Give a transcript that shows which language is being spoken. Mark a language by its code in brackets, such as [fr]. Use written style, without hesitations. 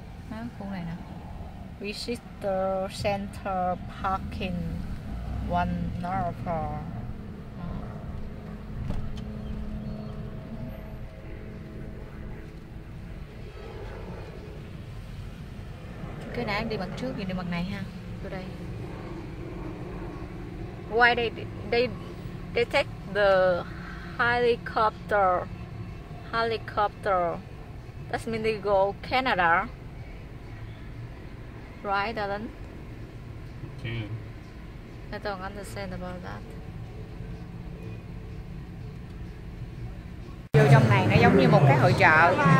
[vi] Đó, khu này nè. Visitor Center Parking One North. Cái này đi mặt trước, nhìn đi mặt này ha. Từ đây. [en] Why they take the helicopter? Helicopter. That means they go Canada. Right, Alan? Can. I don't understand about that. [vi] Vô trong này nó giống như một cái hội chợ.